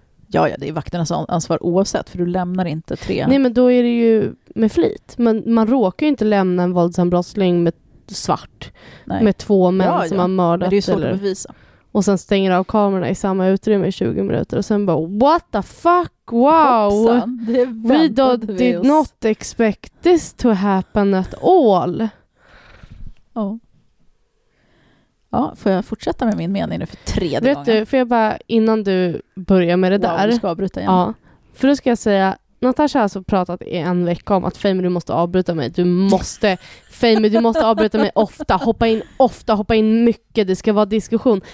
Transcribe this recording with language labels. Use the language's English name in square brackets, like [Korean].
[Swedish] Ja, det är vakternas ansvar oavsett, för du lämnar inte tre... Nej, men då är det ju med flit. Men man råkar ju inte lämna en våldsam brottsling med svart. Nej. Med två män som har mördat. Men det är ju svårt att bevisa. Och sen stänger av kamerorna i samma utrymme i 20 minuter och sen bara, [English] what the fuck? Wow! We did not expect this to happen at all. [Swedish] Ja, får jag fortsätta med min mening nu för tredje gången? Vet du, får jag bara, innan du börjar med det där. Wow, du ska avbryta igen. Ja, för då ska jag säga, Natasha har alltså pratat i en vecka om att Femi, du måste avbryta mig. Du måste avbryta mig ofta, hoppa in mycket, det ska vara diskussion.